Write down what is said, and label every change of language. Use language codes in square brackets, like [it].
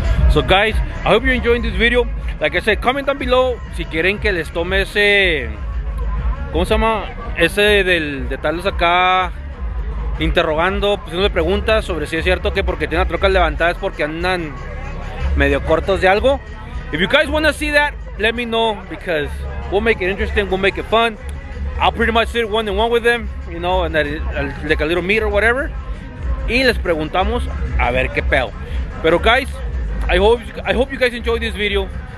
[en] So guys, I hope you're enjoying this video. Like I said, comment down below [es] si quieren que les tome ese, ¿cómo se llama? Ese del de estarles acá interrogando, haciéndole preguntas sobre si es cierto que porque tienen la troca levantada es porque andan medio cortos de algo. [en] If you guys wanna see that, let me know, because we'll make it interesting, we'll make it fun. I'll pretty much sit one and one with them, you know, and that, like a little meet or whatever. [es] Y les preguntamos a ver qué pedo. [en] Pero guys, I hope you guys enjoyed this video.